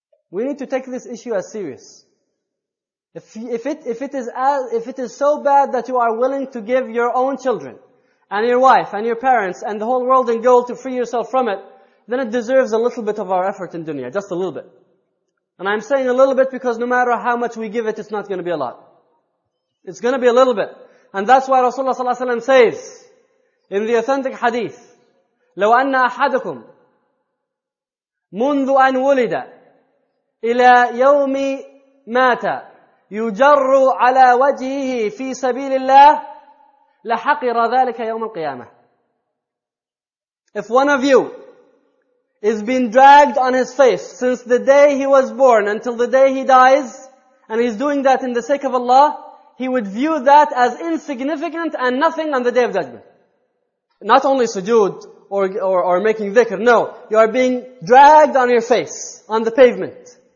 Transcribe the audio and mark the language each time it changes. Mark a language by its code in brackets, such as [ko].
[en] We need to take this issue as serious. If it is so bad that you are willing to give your own children and your wife and your parents and the whole world in gold to free yourself from it, then it deserves a little bit of our effort in dunya, just a little bit. And I'm saying a little bit because no matter how much we give it, it's not going to be a lot. It's going to be a little bit. And that's why Rasulullah sallallahu alaihi wasallam says in the authentic hadith, [ar] لو أن أحدكم منذ أن ولد إلى يوم مات يجر على وجهه في سبيل الله لحقر ذلك يوم القيامة. [en] If one of you is being dragged on his face since the day he was born until the day he dies, and he's doing that in the sake of Allah, he would view that as insignificant and nothing on the day of judgment. Not only sujood or making dhikr, no. You are being dragged on your face, on the pavement.